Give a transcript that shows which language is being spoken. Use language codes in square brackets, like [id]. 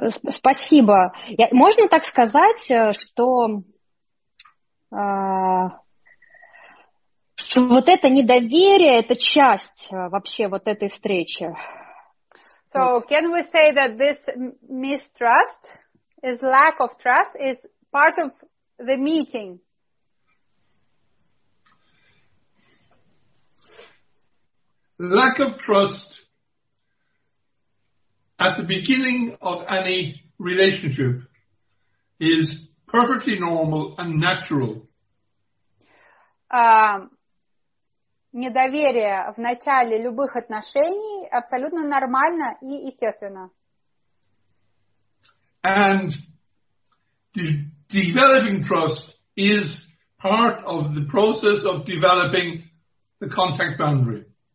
[ru] Спасибо. Можно так сказать, что вот это недоверие, это часть вообще вот этой встречи. [en] So can we say that this mistrust, is lack of trust, is part of the meeting? Lack of trust. At the beginning of any relationship is perfectly normal and natural. [ru] Недоверие в начале любых отношений абсолютно нормально и естественно. [en] And developing trust is part of the process of developing the contact boundary.